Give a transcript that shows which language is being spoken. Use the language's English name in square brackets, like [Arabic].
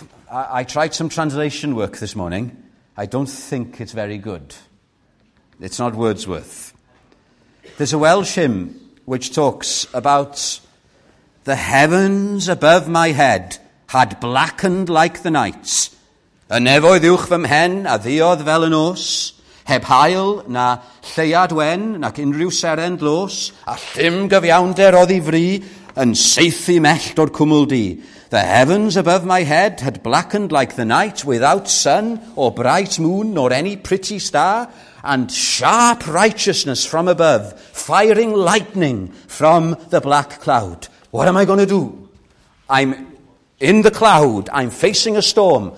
[English] I tried some translation work this morning. I don't think it's very good. It's not Wordsworth. There's a Welsh hymn which talks about the heavens above my head had blackened like the night. [Welsh] Y nefoedd uwch fy mhen a ddiodd fel y nos, heb hael na lleuad wen nac unrhyw seren dlos, a llym gyfiawnder oedd i fri yn saethu mellt o'r cwmwl di. [English] The heavens above my head had blackened like the night without sun or bright moon nor any pretty star, and sharp righteousness from above, firing lightning from the black cloud. What am I going to do? I'm in the cloud. I'm facing a storm.